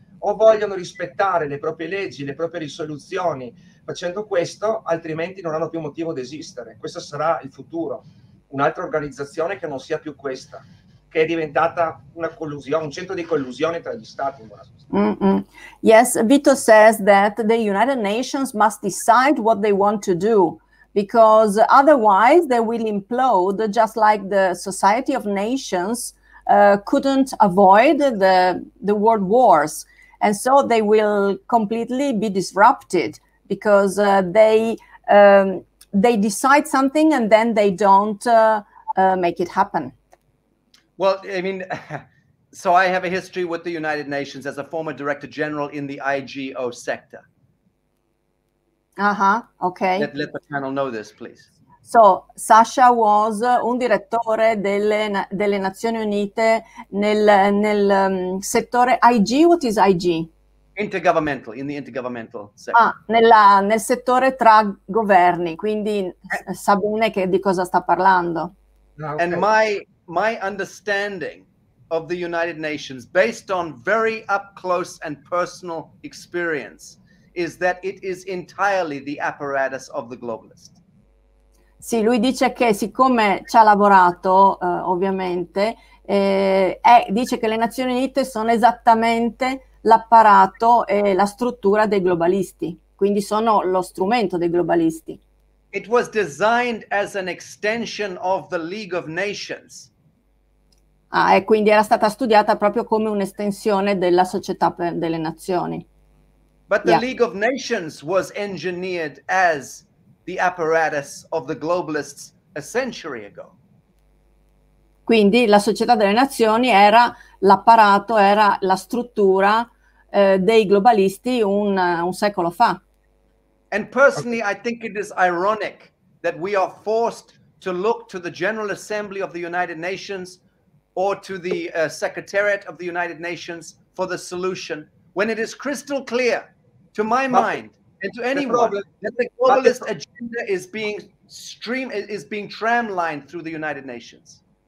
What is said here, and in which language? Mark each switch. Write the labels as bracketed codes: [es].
[it] O vogliono rispettare le proprie leggi, le proprie risoluzioni, facendo questo, altrimenti non hanno più motivo di esistere. Questo sarà il futuro. un'altra organizzazione che non sia più questa, che è diventata una collusione, un centro di collusione tra gli stati. [en] Yes, Vito says that the United Nations must decide what they want to do, because otherwise they will implode, just like the Society of Nations couldn't avoid the world wars. And so they will completely be disrupted, because they decide something and then they don't make it happen. Well, I mean, so I have a history with the United Nations as a former director general in the IGO sector. Uh-huh, okay. Let the panel know this, please. So, Sasha was [it] un direttore delle Nazioni Unite nel settore IG. [en] What is IG? Intergovernmental, in the intergovernmental sector. [it] Ah, nel settore tra governi, quindi sa bene che di cosa sta parlando. [en] Okay. And my understanding of the United Nations, based on very up close and personal experience, is that it is entirely the apparatus of the globalist. [it] Sì, lui dice che siccome ci ha lavorato, ovviamente, dice che le Nazioni Unite sono esattamente l'apparato e la struttura dei globalisti, quindi sono lo strumento dei globalisti. [en] It was designed as an extension of the League of Nations. [it] Ah, e quindi era stata studiata proprio come un'estensione della società delle nazioni. [en] But the League of Nations was engineered as the apparatus of the globalists a century ago. [it] Quindi la società delle nazioni era l'apparato, era la struttura dei globalisti un secolo fa. [en] And personally, I think it is ironic that we are forced to look to the General Assembly of the United Nations or to the Secretariat of the United Nations for the solution, when it is crystal clear to my mind and to anyone that the globalist agenda is being tramlined through the United Nations.